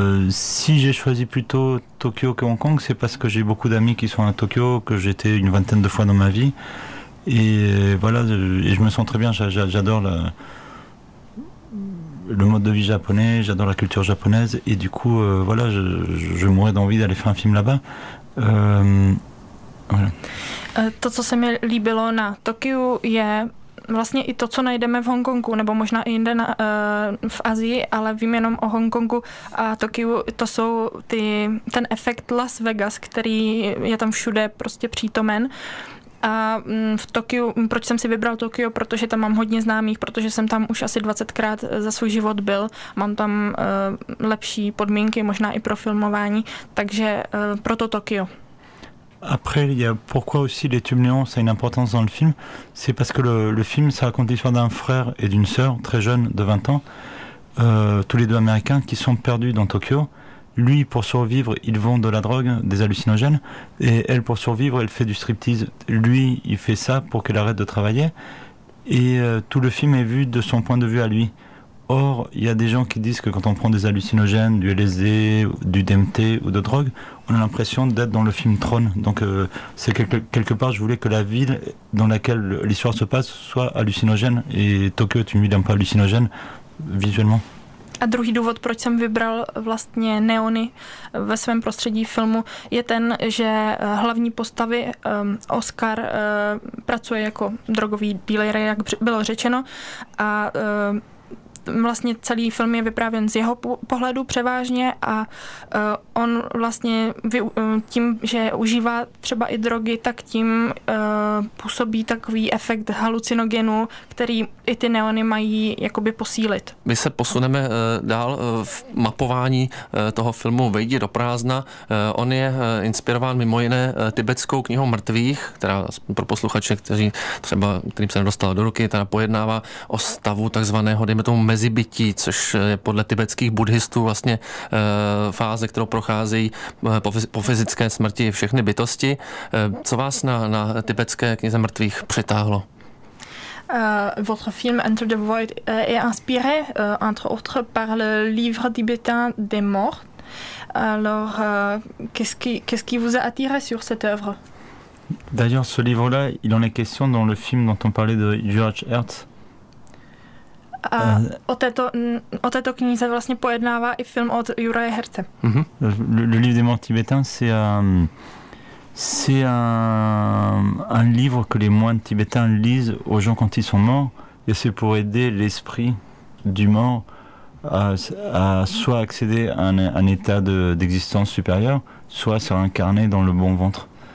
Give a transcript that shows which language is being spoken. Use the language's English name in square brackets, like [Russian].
[French] Si j'ai choisi plutôt Tokyo que Hong Kong, c'est parce que j'ai beaucoup d'amis qui sont à Tokyo, que j'étais une vingtaine de fois dans ma vie. Et voilà, et je me sens très bien, j'adore le mode de vie japonais, j'adore la culture japonaise, et du coup, voilà, je mourrais d'envie d'aller faire un film là-bas. Voilà. [Czech] To, co se mi líbilo na Tokiu, je vlastně i to, co najdeme v Hongkongu, nebo možná i jinde v Asii, ale vím jenom o Hongkongu a Tokiu, to jsou ten efekt Las Vegas, který je tam všude prostě přítomen. A v Tokiu, proč jsem si vybral Tokio, protože tam mám hodně známých, protože jsem tam už asi 20krát za svůj život byl, mám tam lepší podmínky, možná i pro filmování, takže proto Tokio. [French] Après, il y a pourquoi aussi les tubes néons, ça a une importance dans le film, c'est parce que le film, ça raconte l'histoire d'un frère et d'une sœur très jeunes de 20 ans, tous les deux américains, qui sont perdus dans Tokio. Lui, pour survivre, il vend de la drogue, des hallucinogènes, et elle, pour survivre, elle fait du striptease. Lui, il fait ça pour qu'elle arrête de travailler, et tout le film est vu de son point de vue à lui. Or, il y a des gens qui disent que quand on prend des hallucinogènes, du LSD, du DMT ou de drogue, on a l'impression d'être dans le film Tron. Donc, c'est quelque part, je voulais que la ville dans laquelle l'histoire se passe soit hallucinogène, et Tokyo est une ville un peu hallucinogène, visuellement. [Czech] A druhý důvod, proč jsem vybral vlastně neony ve svém prostředí filmu, je ten, že hlavní postavy Oscar pracuje jako drogový dealer, jak bylo řečeno, a vlastně celý film je vyprávěn z jeho pohledu převážně, a on vlastně tím, že užívá třeba i drogy, tak tím působí takový efekt halucinogenu, který i ty neony mají jakoby posílit. My se posuneme dál v mapování toho filmu Vejdi do prázdna. On je inspirován mimo jiné tibetskou knihou mrtvých, která pro posluchače, kterým se nedostala do ruky, teda pojednává o stavu takzvaného, dejme tomu, mezibytí, což je podle tibetských buddhistů vlastně fáze, kterou procházejí po fyzické smrti všechny bytosti. Co vás na tibetské knize mrtvých přitáhlo? [French] Votre film Enter the Void est inspiré, entre autres, par le livre tibétain des morts. Alors, qu'est-ce qui vous a attiré sur cette œuvre? D'ailleurs, ce livre-là, il en est question dans le film dont on parlait de George Hertz. [Czech] O této knize vlastně pojednává i film od Juraje Herce. Mm-hmm. [French] Le livre des morts tibétains, c'est un livre que les moines tibétains lisent aux gens quand ils sont morts, et c'est pour aider l'esprit du mort à soit accéder à un état d'existence supérieur, soit se réincarner dans le bon ventre.